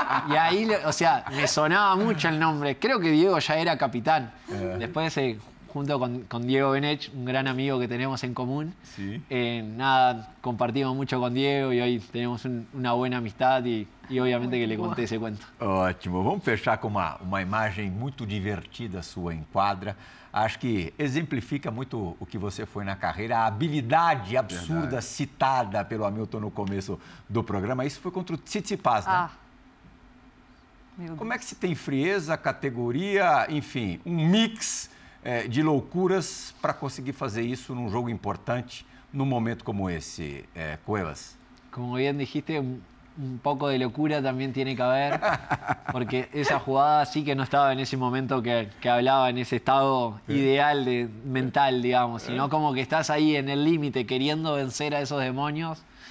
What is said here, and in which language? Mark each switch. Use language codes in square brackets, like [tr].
[es] Y ahí, o sea, me sonaba mucho el nombre. Creo que Diego ya era capitán. Después... junto con Diego Benech, un gran amigo que tenemos en común. Sí. Nada, compartimos mucho con Diego y hoy tenemos una buena amistad y obviamente que le conté ese cuento. [pt] Ótimo. Vamos fechar com uma imagem muito divertida sua em quadra. Acho que exemplifica muito o que você foi na carreira, a habilidade absurda. Verdade. Citada pelo Hamilton no começo do programa. Isso foi contra o Tsitsipas, né? Como é que se tem frieza, categoria, enfim, um mix de loucuras para conseguir fazer isso num jogo importante, num momento como esse, Cuevas? [es] Como bien dijiste, un poco de locura también tiene que haber, porque esa jugada sí que no estaba en ese momento que hablaba, en ese estado ideal de, mental, digamos, sino como que estás ahí en el límite queriendo vencer a esos demonios.